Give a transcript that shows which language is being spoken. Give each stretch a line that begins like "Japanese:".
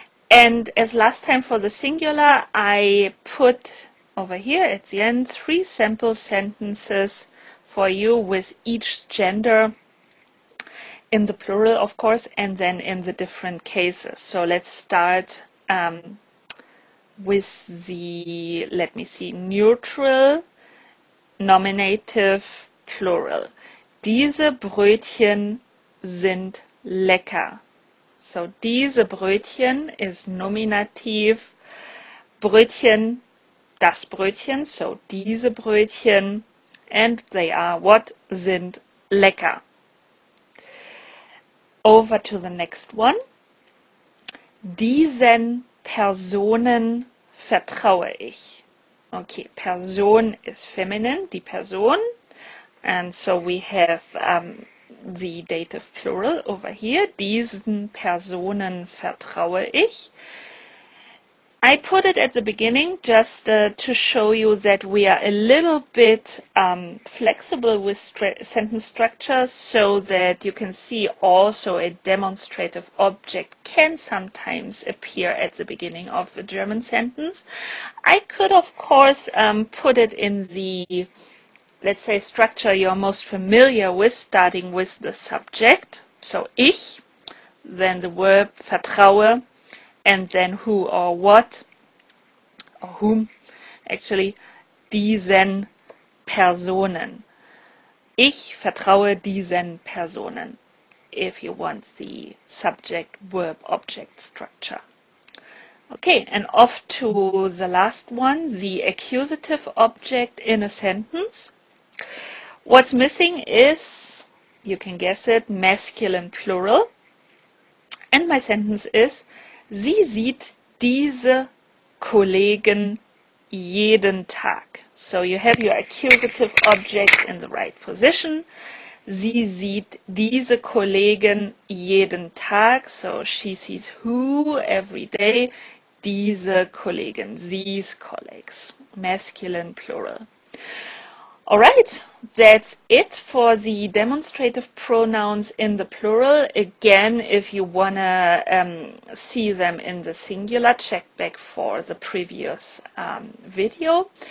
English: And as last time for the singular, I put over here at the end three sample sentences for you with each gender in the plural, of course, and then in the different cases. So let's start with the, let me see, neutral nominative plural.
German: Diese Brötchen sind lecker.
English: So
German: diese Brötchen
English: is nominativ.
German: Brötchen, das Brötchen, so diese Brötchen.
English: And they are what?
German: Sind lecker.
English: Over to the next one.
German: Diesen Personen vertraue ich.
English: Okay, Person is feminine,
German: die Person.
English: And so we have the dative plural over here.
German: Diesen Personen vertraue ich.
English: I put it at the beginning just to show you that we are a little bit flexible with sentence structure so that you can see also a demonstrative object can sometimes appear at the beginning of the German sentence. I could, of course, put it in the, let's say, structure you're most familiar with, starting with the subject. So ich, then the verb vertraue. And then who or what, or whom, actually,
German: diesen Personen. Ich vertraue diesen Personen,
English: if you want the subject, verb, object structure. Okay, and off to the last one, the accusative object in a sentence. What's missing is, you can guess it, masculine plural. And my sentence is,
German: sie sieht diese Kollegen jeden Tag.
English: So you have your accusative object in the right position.
German: Sie sieht diese Kollegen jeden Tag.
English: So she sees who every day?
German: Diese Kollegen,
English: these colleagues. Masculine plural. All right, that's it for the demonstrative pronouns in the plural. Again, if you want to see them in the singular, check back for the previous video.